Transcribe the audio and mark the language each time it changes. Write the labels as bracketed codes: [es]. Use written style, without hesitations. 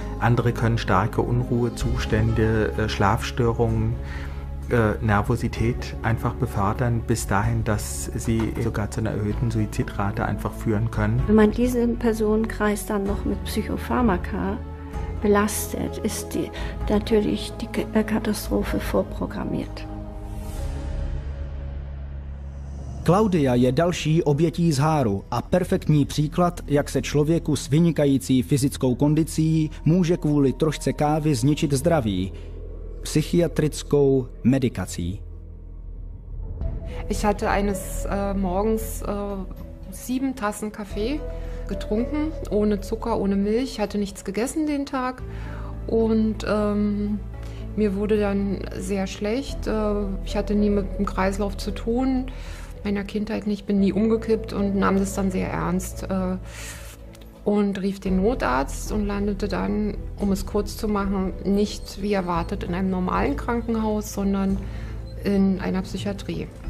[de] Andere können starke Unruhezustände, Schlafstörungen, Nervosität einfach befördern, bis dahin, dass sie sogar zu einer erhöhten Suizidrate einfach führen können. Wenn man diesen Personenkreis dann noch mit Psychopharmaka belastet, ist die natürlich die Katastrophe vorprogrammiert. [cs] Claudia je další obětí zháru a perfektní příklad, jak se člověku s vynikající fyzickou kondicí může kvůli trošce kávy zničit zdraví psychiatrickou medikací. [de] Ich hatte eines morgens 7 Tassen Kaffee getrunken, ohne Zucker, ohne Milch, hatte nichts gegessen den Tag und mir wurde dann sehr schlecht. Ich hatte nie mit dem Kreislauf zu tun. Meiner Kindheit nicht, bin nie umgekippt und nahm das dann sehr ernst und rief den Notarzt und landete dann, um es kurz zu machen, nicht wie erwartet in einem normalen Krankenhaus, sondern in einer Psychiatrie.